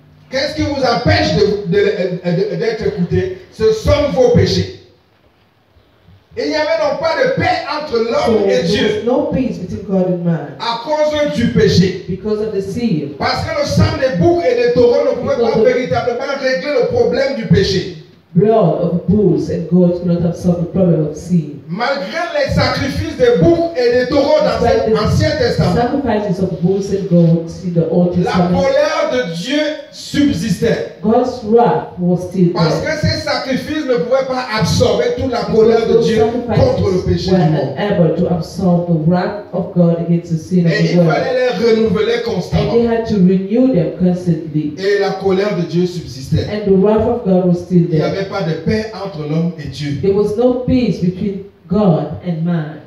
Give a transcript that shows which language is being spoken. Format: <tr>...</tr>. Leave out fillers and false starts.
<fr>Qu'est-ce qui vous empêche d'être écouté? Ce sont vos péchés. Et il y avait donc pas de paix entre l'homme</fr> <en>so</en> <fr>et Dieu.</fr> <en>No peace between God and man.</en> <fr>À cause du péché.</fr> <en>Because of the sin.</en> <fr>Parce que le sang des boucs et des taureaux ne pouvait pas véritablement régler le problème du péché.</fr> <en>Blood of bulls and goats could not have solved the problem of sin.</en> <fr>Malgré les sacrifices des boucs et des taureaux dans l'Ancien Testament,</fr> <en>sacrifices of bulls and goats in the Old Testament,</en> <fr>la colère de Dieu subsistait.</fr> <en>God's wrath was still there.</en> <fr>Parce que ces sacrifices ne pouvaient pas absorber toute la colère de Dieu contre le péché du monde.</fr> <en>Able to absorb the wrath of God against the sin of the world.</en> <fr>Et il fallait les renouveler constamment.</fr> <en>And he had to renew them constantly.</en> <fr>Et la colère de Dieu subsistait.</fr> <en>And the wrath of God was still there.</en> <fr>Il n'y avait pas de paix entre l'homme et Dieu.</fr> <en>There was no peace between God and man.</en>